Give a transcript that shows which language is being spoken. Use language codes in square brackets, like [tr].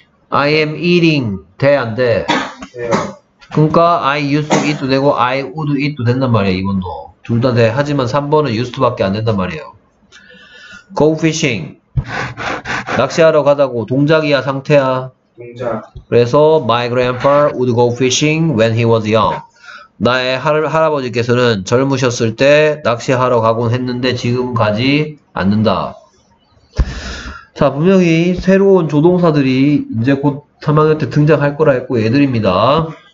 [ko] I am eating 돼, 안 돼? 그러니까 [en] I used to eat [ko] 도 되고 [en] I would eat [ko] 도 된단 말이야. 2번도 둘 다 돼. 하지만 3번은 used밖에 안 된단 말이에요. Go fishing. 낚시하러 가다고 동작이야, 상태야? 동작. 그래서 [en] my grandpa would go fishing when he was young. [ko] 나의 할아버지께서는 젊으셨을 때 낚시하러 가곤 했는데 지금 가지 않는다. 자, 분명히 새로운 조동사들이 이제 곧 3학년 때 등장할 거라 했고 얘들입니다.